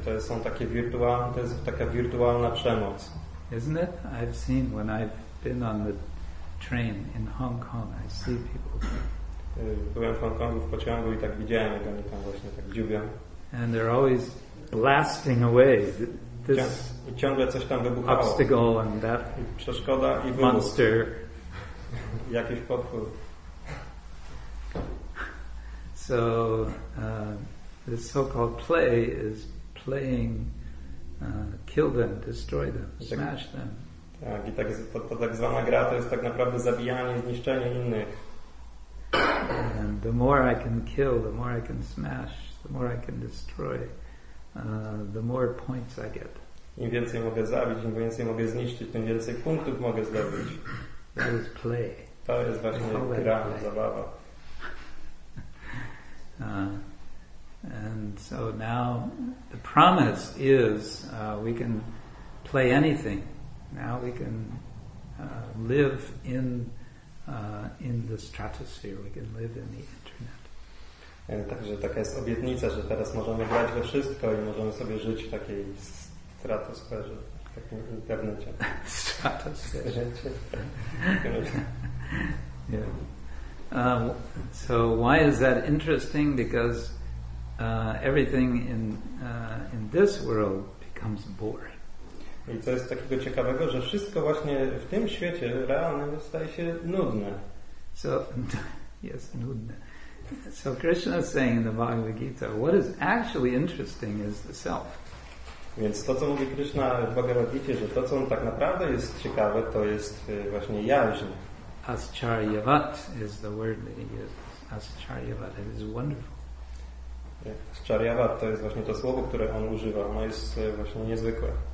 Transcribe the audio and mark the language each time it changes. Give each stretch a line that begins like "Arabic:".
Polish: To jest taka wirtualna przemoc.
English: Isn't it? I've seen when I've been on the train in Hong Kong, I see people.
Polish: Byłem w Hong Kongu w pociągu i tak widziałem, jak oni tam właśnie tak dziubią.
English: And they're always blasting away. This
Polish: I ciągle coś tam wybuchało.
English: Obstacle and that
Polish: przeszkoda i wybuch.
English: Monster.
Polish: Jakiś potwór.
English: So this so-called play is playing kill them, destroy them, smash them.
Polish: Tak, i tak zwana gra to jest tak naprawdę zabijanie, zniszczenie innych.
English: And the more I can kill, the more I can smash, the more I can destroy, the more points I get.
Polish: Im więcej mogę zabić, im więcej mogę zniszczyć, tym więcej punktów mogę zdobyć.
English: That is play.
Polish: To jest właśnie gra, zabawa.
English: And so now the promise is we can play anything. Now we can live in the stratosphere. We can live in the internet.
Polish: Także taka jest obietnica, że teraz możemy grać we wszystko i możemy sobie żyć w takiej stratosferze, w takim internecie. Stratosferze. Yeah.
English: So why is that interesting? Because everything in this world becomes boring.
Polish: I co jest takiego ciekawego, że wszystko właśnie w tym świecie realnym staje się nudne.
English: So yes, nudne. So Krishna is saying in the Bhagavad Gita, what is actually interesting is the self.
Polish: Więc to, co mówi Krishna w Bhagavad Gita, że to, co tak naprawdę jest ciekawe, to jest właśnie jaźń.
English: Ascharyavat is the word that he uses. Ascharyavat, it is wonderful.
Polish: Ascharyavat to jest właśnie to słowo, które on używa. Ono jest właśnie niezwykłe.